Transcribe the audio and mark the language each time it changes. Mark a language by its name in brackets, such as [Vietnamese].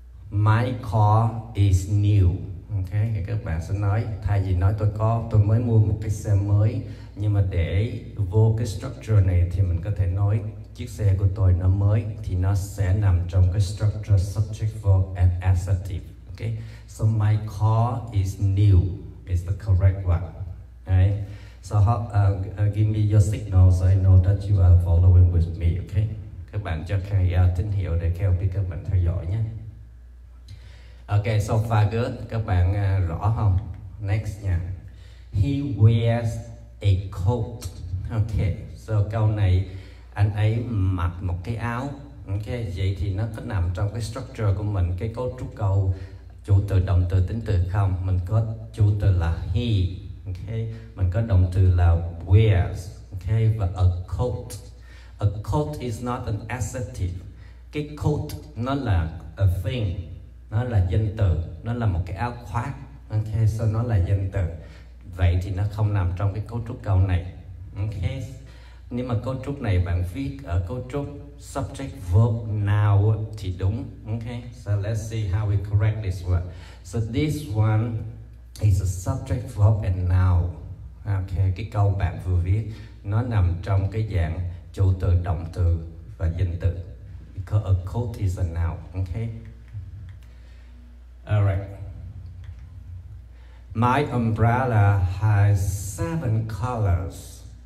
[English] My car is new. [Vietnamese] Okay, thì các bạn sẽ nói thay vì nói tôi mới mua một cái xe mới, nhưng mà để vô cái structure này thì mình có thể nói chiếc xe của tôi nó mới, thì nó sẽ nằm trong cái structure [English] subject verb and adjective. Okay, so my car is new is the correct one. Okay, so give me your signal so I know that you are following with me. [Vietnamese] Okay, các bạn cho Kay tín hiệu để Kay biết các bạn theo dõi nhé. Okay, [English] so far good. [Vietnamese] Các bạn rõ không? Next nha. [English] He wears a coat. [Vietnamese] Okay, so câu này anh ấy mặc một cái áo. Okay, vậy thì nó có nằm trong cái structure của mình, cái cấu trúc câu chủ từ động từ tính từ không? Mình có chủ từ là he. Okay, mình có động từ là wears. [English] Okay, và a coat. A coat is not an adjective. [Vietnamese] Cái coat nó là [English] a thing. [Vietnamese] Nó là danh từ, nó là một cái áo khoác. Okay, so nó là danh từ. Vậy thì nó không nằm trong cái cấu trúc câu này. Okay. Nếu mà cấu trúc này bạn viết ở cấu trúc [English] subject verb noun [Vietnamese] thì đúng. [English] Okay. So let's see how we correct this word. So this one is a subject verb and noun. [Vietnamese] Okay, cái câu bạn vừa viết nó nằm trong cái dạng chủ từ, động từ và danh từ. [English] Because a coat is a noun. Okay. Alright. My umbrella has seven colors.